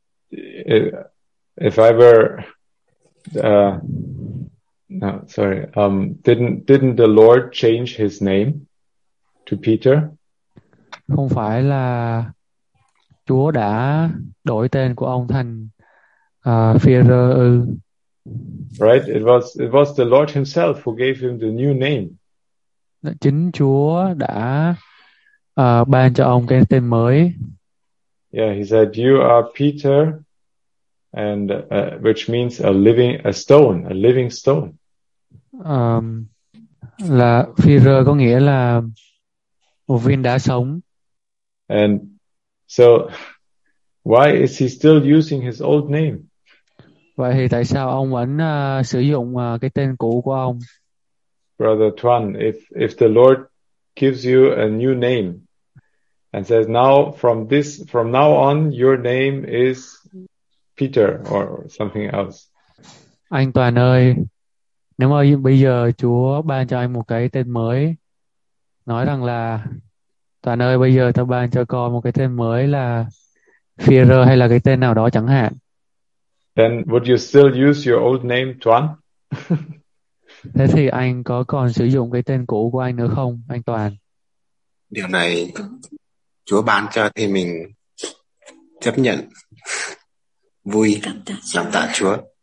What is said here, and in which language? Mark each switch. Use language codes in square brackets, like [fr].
[en] If I were didn't the Lord change his name to Peter? [vi] Không phải là Chúa đã đổi tên của ông thành Phi-e-rơ ư? [en] Right, it was the Lord himself who gave him the new name. [vi] Chính Chúa đã ban cho ông cái tên mới. [en] Yeah, he said you are Peter, and which means a living stone. [vi] Là Phi-e-rơ có nghĩa là một viên đá sống. [en] And so why is he still using his old name? [vi] Vậy thì tại sao ông vẫn sử dụng cái tên cũ của ông? [en] Brother Tuan, if the Lord gives you a new name and says now from now on your name is Peter or something else. [vi] Anh Toàn ơi, nếu mà bây giờ Chúa ban cho anh một cái tên mới, nói rằng là Toàn ơi, bây giờ ta ban cho con một cái tên mới là Phi-e-rơ hay là cái tên nào đó chẳng hạn. [en] Then would you still use your old name, Toàn? [vi] Thế thì anh có còn sử dụng cái tên cũ của anh nữa không, anh Toàn? Điều này Chúa ban cho thì mình chấp nhận, vui, cảm tạ Chúa.